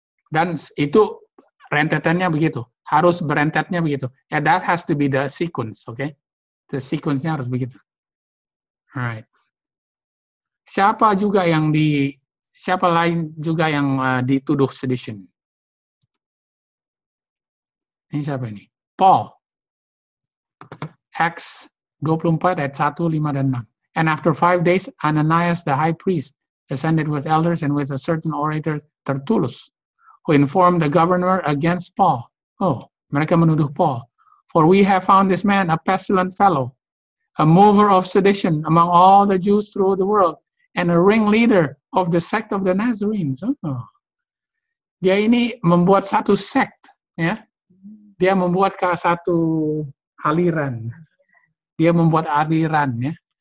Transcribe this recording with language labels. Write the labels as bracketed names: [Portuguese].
[Indonesian] Dan itu rentetannya begitu. Harus berentetnya begitu. [English] Yeah, that has to be the sequence, okay? [Indonesian] The sequence-nya harus begitu. [English] Alright. [Indonesian] Siapa lain juga yang dituduh sedition? Ini siapa ini? Paul. Acts 24 ayat 1, 5, dan 6. [English] And after 5 days, Ananias the high priest descended with elders and with a certain orator, Tertullus, who informed the governor against Paul. [Indonesian] Oh, mereka menuduh Paul. [English] For we have found this man a pestilent fellow, a mover of sedition among all the Jews through the world, and a ringleader of the sect of the Nazarenes. [Indonesian] Dia ini membuat satu sect, ya. Dia membuat satu aliran. Dia membuat aliran, ya.